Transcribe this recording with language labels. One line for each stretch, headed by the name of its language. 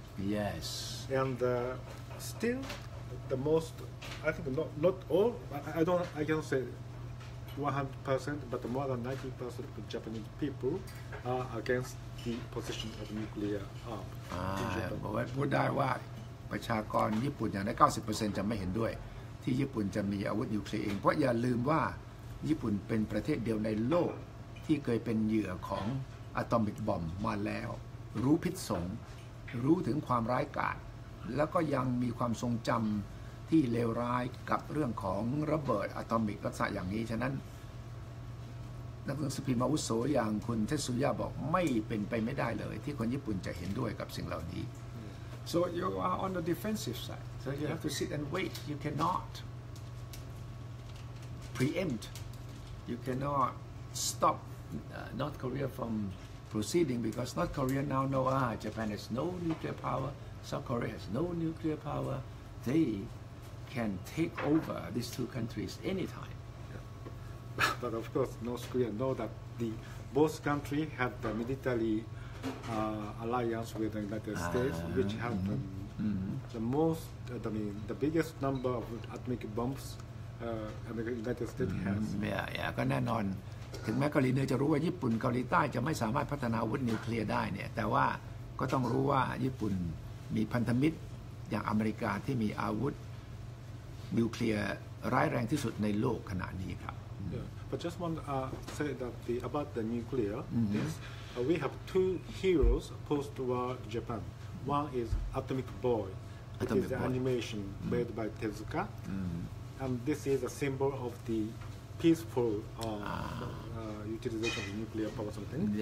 English: Yes. And still, the most, I think not all, I can't say 100%, but more than 90% of Japanese people are against the possession of nuclear arm in Japan.
Thai: พูดได้ว่าประชากรญี่ปุ่นอย่างน้อย 90% จะไม่เห็นด้วยที่ญี่ปุ่นจะมีอาวุธนิวเคลียร์เองเพราะอย่าลืมว่าญี่ปุ่นเป็นประเทศเดียวในโลกที่เคยเป็นเหยื่อของอะตอมิกบอมบ์มาแล้วรู้พิษสง รู้ถึงความร้ายกาจแล้วก็ยังมีความทรงจำที่เลวร้ายกับเรื่องของระเบิดอะตอมิกลักษณะอย่างนี้ฉะนั้นนักหนังสือพิมพ์มาอุโสอย่างคุณเทสุยะบอกไม่เป็นไปไม่ได้เลยที่คนญี่ปุ่นจะเห็นด้วยกับสิ่งเหล่านี้
English: So you are on the defensive side so you have to sit and wait you cannot preempt you cannot stop North Korea from proceeding because North Korea now know Japan has no nuclear power South Korea has no nuclear powerthey can take over these two countries anytime. Yeah. But of course, North Korea know that both countries have the military alliance with the United States, which have the biggest number of atomic bombs United States has.
Thai: Yeah, yeah, ก็แน่นอนถึงแม้เกาหลีเหนือจะรู้ว่าญี่ปุ่นเกาหลีใต้จะไม่สามารถพัฒนาอาวุธนิวเคลียร์ได้เนี่ยแต่ว่าก็ต้องรู้ว่าญี่ปุ่นมีพันธมิตรอย่างอเมริกาที่มีอาวุธนิวเคลียร์ร้ายแรงที่สุดในโลกขณะนี้ครับ
English: Yeah. But just want to say that the about the nuclear is we have two heroes post-war Japan. One is Atomic Boy. Atomic Boy. It is an animation made by Tezuka. And this is a symbol of the peaceful utilization of nuclear power something.